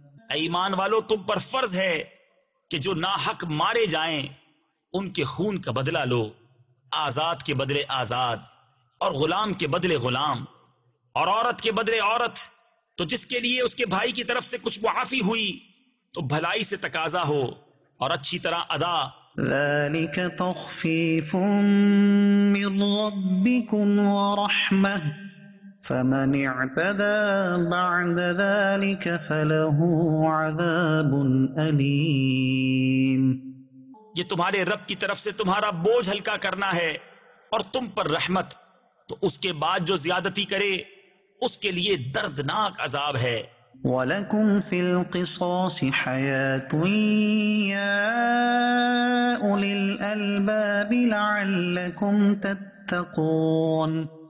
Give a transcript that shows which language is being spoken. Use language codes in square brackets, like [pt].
[ur] اے ایمان والو، تم پر فرض ہے کہ جو ناحق مارے جائیں ان کے خون کا بدلہ لو، آزاد کے بدلے آزاد اور غلام کے بدلے غلام اور عورت کے بدلے عورت، تو جس کے لیے اس کے بھائی کی طرف سے کچھ معافی ہوئی تو بھلائی سے تقاضا ہو اور اچھی طرح ادا. [ar] ذلك تخفيف من ربكم ورحمة فمن اعتدى بعد ذلك فله عذاب أليم. [ur] یہ تمہارے رب کی طرف سے تمہارا بوجھ ہلکا کرنا ہے اور تم پر رحمت، تو اس کے بعد جو زیادتی کرے اس کے لیے دردناک عذاب ہے. [ar] وَلَكُمْ فِي الْقِصَاصِ حَيَاةٌ يَا أُولِي الْأَلْبَابِ لَعَلَّكُمْ تَتَّقُونَ.